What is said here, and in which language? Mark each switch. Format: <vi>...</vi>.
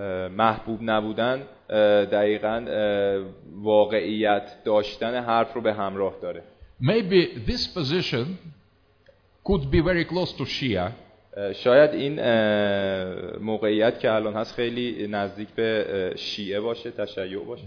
<fa>محبوب نبودن دقیقاً واقعیت داشتن حرف رو به همراه داره.</fa> <en>Maybe this position could be very close to Shia.</en> <fa>شاید این موقعیت که الان هست خیلی نزدیک به شیعه باشه، تشیع باشه.</fa>